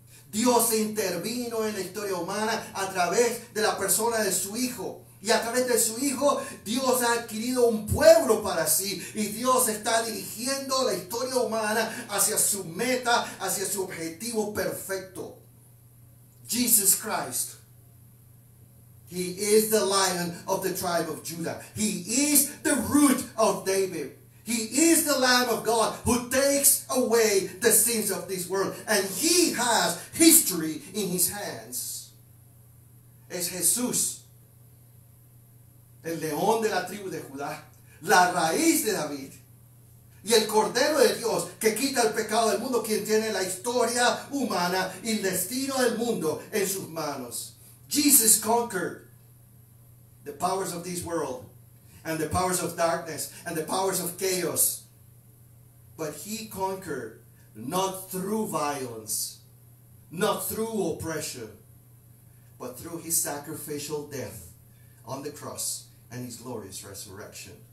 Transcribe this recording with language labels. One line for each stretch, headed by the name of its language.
Spanish: Dios intervino en la historia humana a través de la persona de su Hijo. Y a través de su Hijo, Dios ha adquirido un pueblo para sí. Y Dios está dirigiendo la historia humana hacia su meta, hacia su objetivo perfecto.
English: Jesus Christ. He is the Lion of the tribe of Judah. He is the root of David. He is the Lamb of God who takes away the sins of this world. And he has history in his hands.
Spanish: Es Jesús, el león de la tribu de Judá, la raíz de David, y el cordero de Dios que quita el pecado del mundo, quien tiene la historia humana y el destino del mundo en sus manos.
English: Jesus conquered the powers of this world and the powers of darkness and the powers of chaos. But he conquered not through violence, not through oppression, but through his sacrificial death on the cross and his glorious resurrection.